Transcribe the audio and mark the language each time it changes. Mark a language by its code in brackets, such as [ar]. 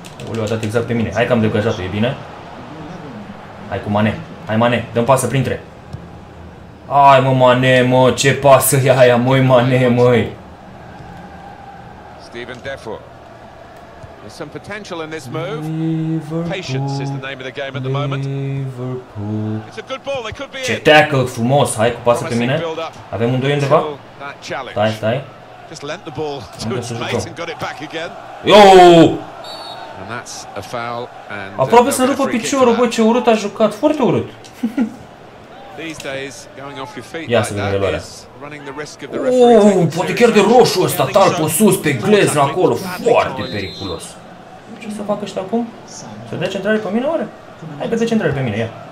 [ro] Uleu, a dat exact pe mine. Hai că am degajat-o, e bine? Hai cu Mane. Hai Mane, dăm pasă printre. Hai mă Mane, mă, ce pasă e aia, măi Mane, măi. [en] Steven Defoe. Some potential in this move. Liverpool, patience is the name of the game at the moment. Liverpool. It's a good ball. They could be. [ro] Ce tackle frumos. Hai cu pasă pe mine. Avem un doi undeva? Stai, stai. [en] Just lent the ball to his mate and got it back again. Yo! And that's a foul and [ro] aproape să-mi rupă piciorul, bă, ce urât a jucat, foarte urât. [en] These days going off your feet. [ro] Ia să vedem de luare. Poate chiar de roșu ăsta, talpă sus, pe gleză acolo, foarte periculos. Ce să facă ăștia acum? Să dea centrare pe mine, oare? Hai că dea centrare pe mine, ia.